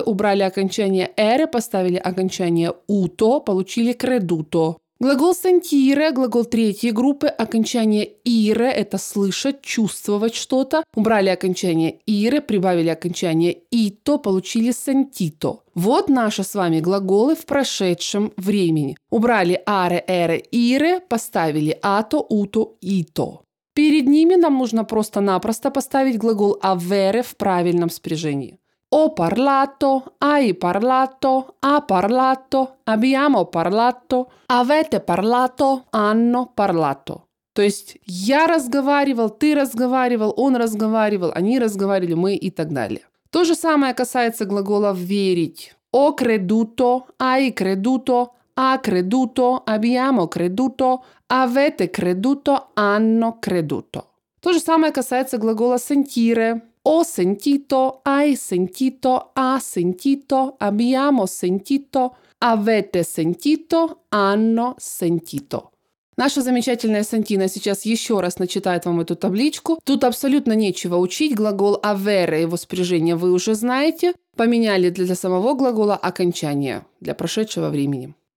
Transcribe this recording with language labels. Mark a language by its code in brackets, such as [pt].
[ru] Убрали окончание «ere», поставили окончание «uto», получили «creduto». Глагол «sentire» – глагол третьей группы. Окончание «ire» – это «слышать», «чувствовать что-то». Убрали окончание «ire», прибавили окончание «ito», получили «sentito». Вот наши с вами глаголы в прошедшем времени. Убрали «are», «ere», «ire», поставили «ato», «uto», «ito». Перед ними нам нужно просто-напросто поставить глагол «avere» в правильном спряжении. [it] «Ho parlato», «hai parlato», «ha parlato», «abbiamo parlato», «avete parlato», «hanno parlato». [ru] То есть «я разговаривал», «ты разговаривал», «он разговаривал», «они разговаривали», «мы» и так далее. То же самое касается глагола «верить». [it] «Ho creduto», «hai creduto», «ha creduto», «abbiamo creduto», «avete creduto», «hanno creduto». [ru] То же самое касается глагола «sentire». [it] «Ho sentito», «hai sentito», «ha sentito», «abbiamo sentito», «avete sentito», «hanno sentito». [ru] Наша замечательная Сантина сейчас еще раз начитает вам эту табличку. Тут абсолютно нечего учить. Глагол «avere», его спряжение вы уже знаете. Поменяли для самого глагола окончание для прошедшего времени.